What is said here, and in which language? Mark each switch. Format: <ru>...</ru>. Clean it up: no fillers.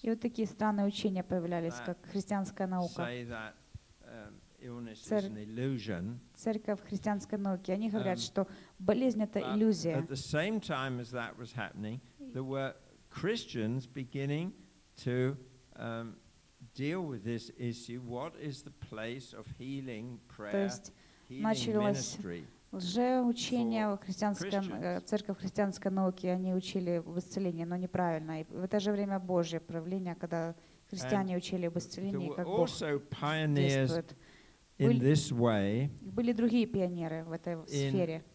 <ru>И вот такие странные учения появлялись, как христианская наука.</ru> <en>Say that illness is an illusion.</en> <ru>Церковь христианской науки. Они говорят, что болезнь это иллюзия.</ru> <en>At the same time as that was happening, there were Christians beginning to deal with this issue. What is the place of healing prayer, healing ministry?</en> <ru>Лжеучения церковь христианской науки, они учили об исцелении, но неправильно. И в это же время Божье правление, когда христиане учили об исцелении, как Бог действует. Были другие пионеры в этой сфере.</ru>